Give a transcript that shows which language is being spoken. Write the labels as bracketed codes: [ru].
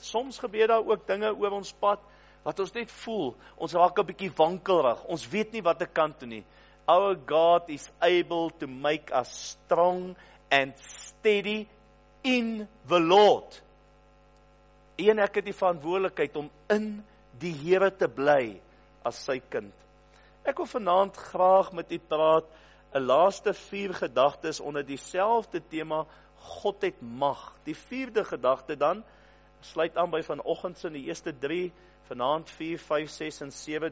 [af] Soms gebeur daar ook dinge oor ons pad, wat ons net voel, ons raak 'n bietjie wankelrig, ons weet nie wat ek kan doen nie, [en] Our God is able to make us strong and steady in the Lord. [af] En ek het die verantwoordelikheid om in die Here te bly as sy kind. Ek wil vanaand graag met u praat 'n laaste vier gedagtes onder dieselfde tema God het mag. Die vierde gedagte dan sluit aan by vanoggend se in die eerste 3, vanaand 4, 5, 6 en 7.